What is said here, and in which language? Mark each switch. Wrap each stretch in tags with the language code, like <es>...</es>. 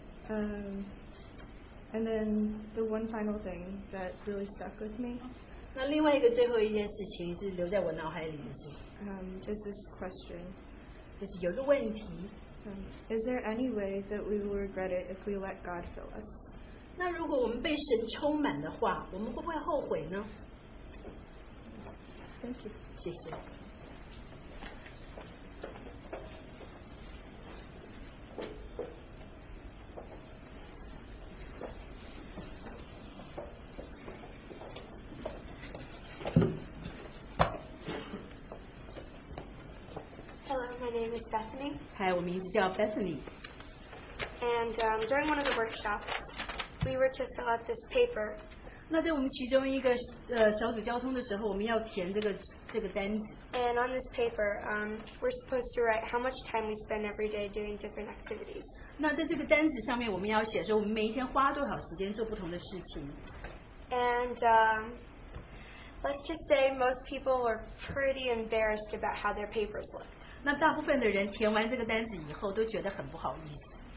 <en>And then the one final thing that really stuck with me.</en> <zh>那另外一个最后一件事情是留在我脑海里的是,</zh> <en>is this question.</en> <zh>就是有一个问题,</zh> <en>is there any way that we will regret it if we let God fill us?</en> <zh>那如果我们被神充满的话, 我们会不会后悔呢?</zh> <en>Thank you.</en> <zh>谢谢。</zh> <en>Hello, my name is Bethany. Hi,</en> <zh>我名字叫 Bethany.</zh> <en>And during one of the workshops, we were to fill out this paper.</en> <zh>那在我们其中一个小组交通的时候，我们要填这个单子。</zh> <en>And on this paper, we're supposed to write how much time we spend every day doing different activities.</en> <zh>那在这个单子上面，我们要写说我们每一天花多少时间做不同的事情。</zh> <en>And let's just say most people were pretty embarrassed about how their papers looked.</en> <zh>那大部分的人填完这个单子以后都觉得很不好意思。</zh>